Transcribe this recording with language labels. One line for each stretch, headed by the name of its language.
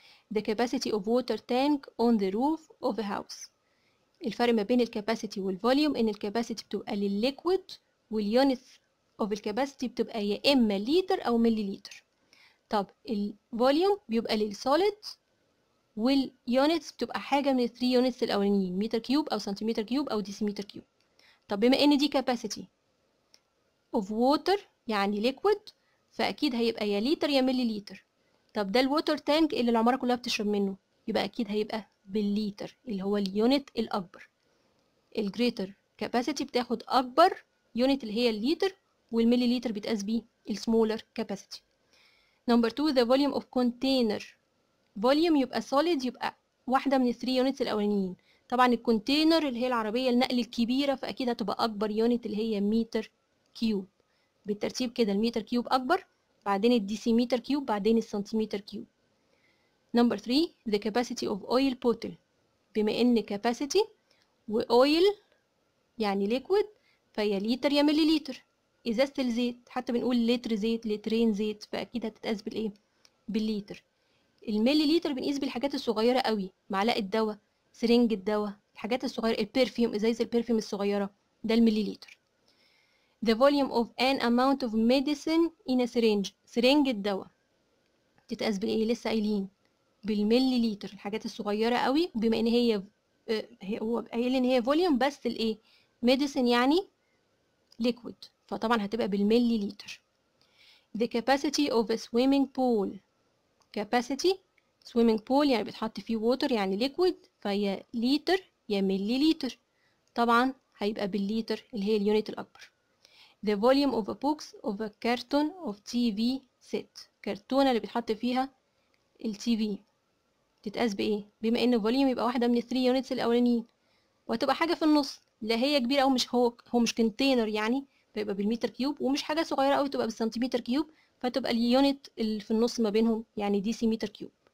English: The capacity of water tank on the roof of a house.
Arabic: الفرق ما بين الكاباسيتي والفوليوم ان الكاباسيتي بتبقى للليكويد واليونت اوف الكاباسيتي بتبقى يا اما لتر او مليلتر. طب الفوليوم بيبقى للسوليد واليونتس بتبقى حاجه من الثري يونتس الاولانيين متر كيوب او سنتيمتر كيوب او ديسيمتر كيوب. طب بما ان دي
English: capacity of water
Arabic: يعني ليكويد فاكيد هيبقى يا لتر يا مليلتر. طب ده الووتر تانك اللي العماره كلها بتشرب منه يبقى اكيد هيبقى بالليتر اللي هو اليونت الاكبر. الجريتر كاباسيتي بتاخد اكبر يونت اللي هي الليتر والمليليتر بيتقاس بيه السمولر كاباسيتي.
English: Number 2 the volume of container.
Arabic: فوليوم يبقى سوليد يبقى واحده من الثري يونت الاولانيين. طبعا الكونتينر اللي هي العربيه النقل الكبيره فاكيد هتبقى اكبر يونت اللي هي متر كيوب. بالترتيب كده المتر كيوب اكبر بعدين الديسيمتر كيوب بعدين السنتيمتر كيوب.
English: Number 3 the capacity of oil bottle.
Arabic: بما ان capacity و oil يعني liquid فيا لتر يا مليلتر. ازازة الزيت حتى بنقول لتر زيت لترين زيت فاكيد هتتقاس بالايه بالليتر. المليلتر بنقيس بالحاجات الصغيرة قوي معلقة دواء سرنج الدواء الحاجات الصغيرة البرفيوم ازايز البرفيوم الصغيرة ده المليلتر.
English: The volume of an amount of medicine in a syringe.
Arabic: سرنج الدواء تتقاس بالايه لسه قايلين بالمليليتر الحاجات الصغيره قوي بما ان هي هو قايل ان هي فوليوم بس الايه ميديسن يعني ليكويد فطبعا هتبقى بالمليليتر.
English: The capacity of a swimming pool. capacity swimming pool
Arabic: يعني بتحط فيه ووتر يعني ليكويد فهي ليتر يا مليليتر طبعا هيبقى بالليتر اللي هي اليونت الاكبر.
English: The volume of a box of a carton of TV set.
Arabic: كرتونه اللي بيتحط فيها التي في تتقاس بايه بما ان الفوليوم يبقى واحده من الثري يونتس الاولانيين وهتبقى حاجه في النص لا هي كبيره او مش هو مش كنتينر يعني فيبقى بالمتر كيوب ومش حاجه صغيره قوي تبقى بالسنتيمتر كيوب فتبقى اليونت اللي في النص ما بينهم يعني دي سي متر كيوب.